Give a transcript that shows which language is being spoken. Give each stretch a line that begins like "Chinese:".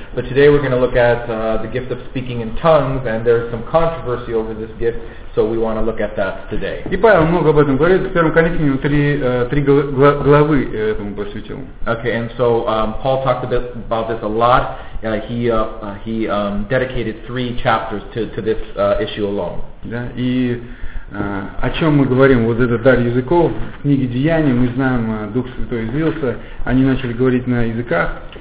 English: But today we're going to look at the gift of speaking in tongues, and there's some controversy over this gift, so we want to look at that today.
Russian: И Павел много об этом говорит, в 1 Коринфянам 3 главы этому посвятил.
English: Okay, and so Paul talked about this a lot. He dedicated 3 chapters to this issue alone.
Russian: Да, и о чем мы говорим, вот этот дар языков, в книге Деяний, мы знаем, Дух Святой излился, они начали говорить на языках.